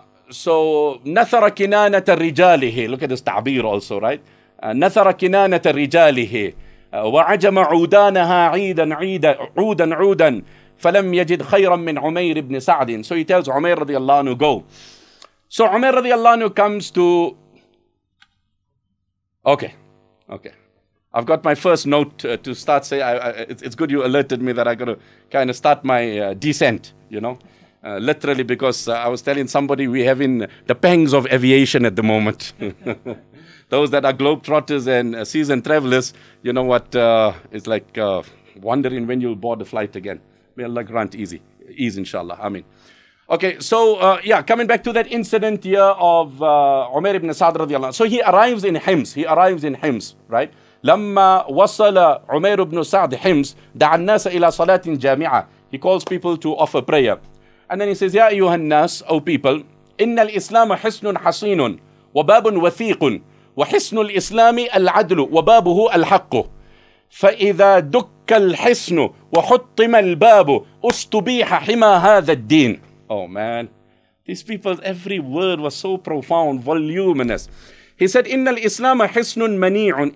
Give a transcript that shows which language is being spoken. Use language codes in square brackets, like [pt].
[ar] So, نَثَرَ كِنَانَةَ رِجَالِهِ. [en] Look at this ta'bir also, right? [ar] نَثَرَ كِنَانَةَ رِجَالِهِ. وَعَجَمَ عُودَانَهَا عِيدًا عِيدًا عُودًا عُودًا فَلَمْ يَجِدْ خَيْرًا مِّنْ عُمَيْرِ بْنِ سَعْدٍ. [en] So he tells Umair radiallahu anhu, go. So Umair radiallahu anhu comes to... Okay. I've got my first note to start saying. It's good you alerted me that I got to kind of start my descent, you know? Literally, because I was telling somebody we're having the pangs of aviation at the moment. Those that are globetrotters and seasoned travelers, you know what, it's like wondering when you'll board the flight again. May Allah grant ease, inshallah. Ameen. Okay, so coming back to that incident here of Umair ibn Sa'd radiallahu anhu. So he arrives in Hims, right? [ar] لما وصل عمير بن سعد حمص دع الناس إلى صلاة جامعة. [en] He calls people to offer prayer. And then he says, [ar] Ya ayyuha an-nas, [en] O people, [ar] Innal Islamu hisnun hasinun, wa babun wathiqun, wa hisnul Islami al-adlu, wa babuhu al-haqqu. فَإِذَا دُكَّ الْحِسْنُ وَحُطِّمَ الْبَابُ أُسْتُبِيحَ حِمَى هَذَا الدِّينَ. [en] Oh man, these people, every word was so profound, voluminous. He said, [ar] إِنَّ الْإِسْلَامَ حِسْنٌ مَنِيعٌ.